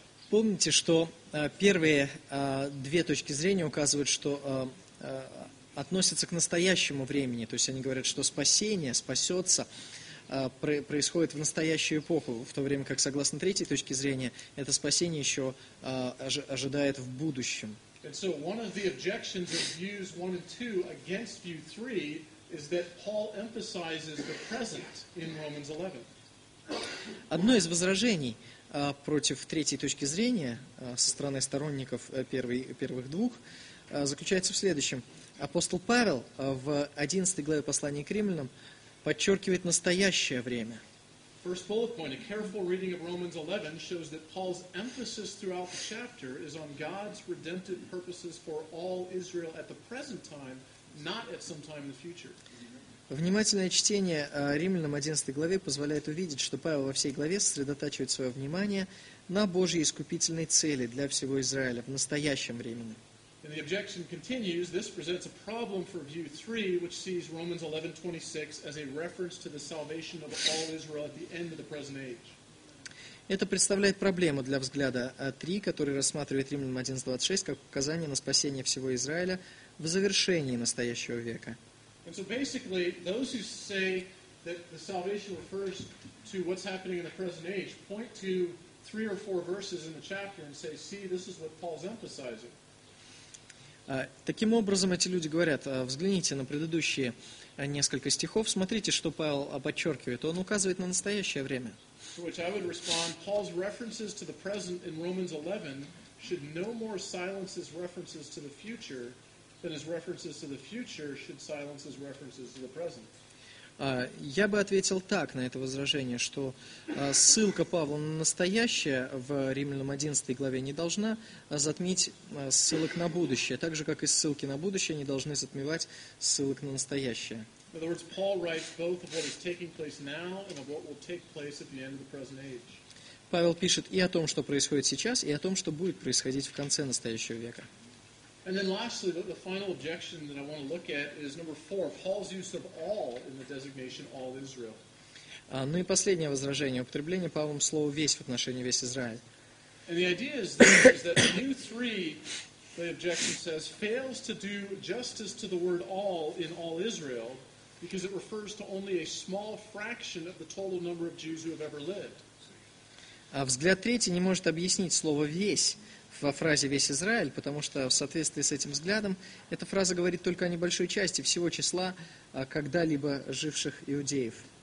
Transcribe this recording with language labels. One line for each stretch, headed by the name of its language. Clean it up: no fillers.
Russian: Помните, что первые две точки зрения указывают, что относятся к настоящему времени, то есть они говорят, что спасение, спасется, происходит в настоящую эпоху, в то время как, согласно третьей точке зрения, это спасение еще ожидает в будущем.
English: And so one of the objections of views 1 and 2 against view 3 is that Paul emphasizes the present in Romans 11.
Russian: Одно из возражений против третьей точки зрения со стороны сторонников первых двух заключается в следующем. Апостол Павел в 11 главе послания к Римлянам подчеркивает настоящее время.
English: First bullet point, a careful reading of Romans 11 shows that Paul's emphasis throughout the chapter is on God's redemptive purposes for all Israel at the present time, not at some time in the future.
Russian: Внимательное чтение Римлянам 11 главе позволяет увидеть, что Павел во всей главе сосредотачивает свое внимание на Божьей искупительной цели для всего Израиля в настоящем времени.
English: And the objection continues, this presents a problem for view 3, which sees Romans 11:26 as a reference to the salvation of all Israel at the end of the present age.
Russian: Это представляет проблему для взгляда 3, который рассматривает Римлянам 11:26 как указание на спасение всего Израиля в завершении настоящего века.
English: And so basically, those who say that the salvation refers to what's happening in the present age point to three or four verses in the chapter and say, see, this is what Paul's emphasizing.
Russian: Таким образом, эти люди говорят, взгляните на предыдущие несколько стихов, смотрите, что Павел подчеркивает. Он указывает на настоящее время.
English: To which I would respond, Paul's references to the present in Romans 11 should no more silence his references to the future than his references to the future should silence his references to the present.
Russian: Я бы ответил так на это возражение, что ссылка Павла на настоящее в Римлянам 11 главе не должна затмить ссылок на будущее, так же, как и ссылки на будущее не должны затмевать ссылок на настоящее.
English: In other words, Paul writes both of what is taking place now and of what will take place at the end of the present age.
Russian: Павел пишет и о том, что происходит сейчас, и о том, что будет происходить в конце настоящего века.
English: And then lastly, the final objection that I want to look at is number 4, Paul's use of all in the designation all Israel.
Russian: Ну и последнее возражение, употребление Павлом слова «весь» в отношении весь Израиль.
English: And the idea is that view 3, the objection says, fails to do justice to the word all in all Israel, because it refers to only a small fraction of the total number of Jews who have ever lived.
Russian: А взгляд третий не может объяснить слово «весь» во фразе «весь Израиль», потому что в соответствии с этим взглядом эта фраза говорит только о небольшой части всего числа когда-либо живших иудеев.